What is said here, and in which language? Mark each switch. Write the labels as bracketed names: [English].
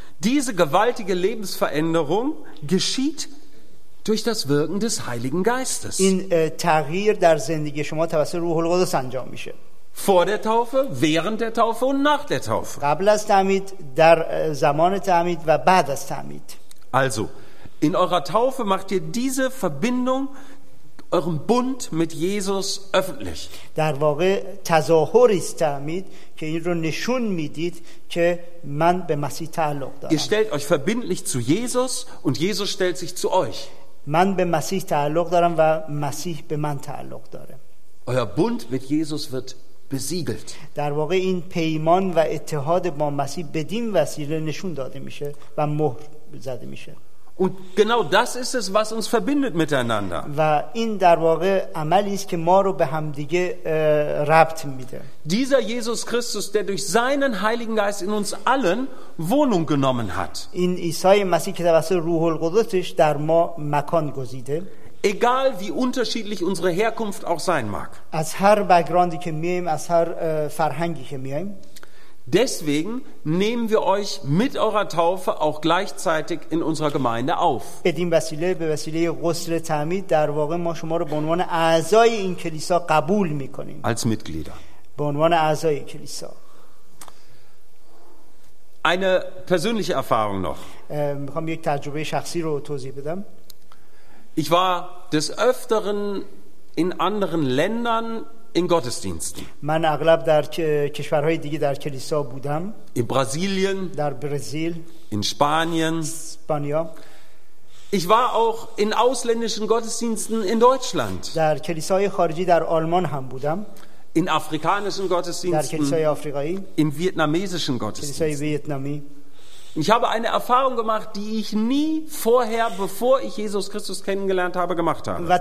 [German] Diese gewaltige Lebensveränderung geschieht durch das Wirken des Heiligen Geistes. [Persian] این تغییر در زندگی شما توسط روح القدس انجام میشه. [German] Vor der Taufe, während der Taufe und nach der Taufe. [Persian] قبل از تعمید، در زمان تعمید و بعد از تعمید. [German] Also, in eurer Taufe macht ihr diese Verbindung, euren Bund mit Jesus öffentlich. [Persian] در واقع تظاهر است تعمید که این رو نشون میدید که من به مسیح تعلق دارم. [German] Ihr stellt euch verbindlich zu Jesus und Jesus stellt sich zu euch. [Persian] من به مسیح تعلق دارم و مسیح به من تعلق داره. [German] Euer Bund mit Jesus wird besiegelt. [Persian] در واقع این پیمان و اتحاد با مسیح بدین وسیله نشون داده میشه و مهر زده میشه. [German] Und genau das ist es, was uns verbindet miteinander. [Persian] و این در واقع عملی است که ما رو به هم دیگه ربط میده. [German] Dieser Jesus Christus, der durch seinen Heiligen Geist in uns allen Wohnung genommen hat. [Persian] این عیسی مسیح که توسط روح القدسش در ما مکان گزیده. [German] Egal wie unterschiedlich unsere Herkunft auch sein mag. [Persian] از هر بک‌گراندی که میایم، از هر فرهنگی که میایم. [German] Deswegen nehmen wir euch mit eurer Taufe auch gleichzeitig in unserer Gemeinde auf. [Persian] بدین وسیله به وسیله غسل تعمید در واقع ما شما رو به عنوان اعضای این کلیسا قبول میکنیم. [German] Als Mitglieder. [Persian] به عنوان اعضای کلیسا. [German] Eine persönliche Erfahrung noch. [Persian] میخوام یک تجربه شخصی رو توضیح بدم. [German] Ich war des Öfteren in anderen Ländern in Gottesdiensten. [Persian] من اغلب در کشورهای دیگه در کلیسا بودم. [German] In Brasilien. [Persian] در برزیل. [German] In Spanien. [Persian] اسپانیا. [German] Ich war auch in ausländischen Gottesdiensten in Deutschland. [Persian] در کلیسای خارجی در آلمان هم بودم. [German] In afrikanischen Gottesdiensten. [Persian] در کلیسای آفریقایی. [German] In vietnamesischen Gottesdiensten. [Persian] کلیسای ویتنامی. [German] Ich habe eine Erfahrung gemacht, die ich nie vorher, bevor ich Jesus Christus kennengelernt habe, gemacht habe.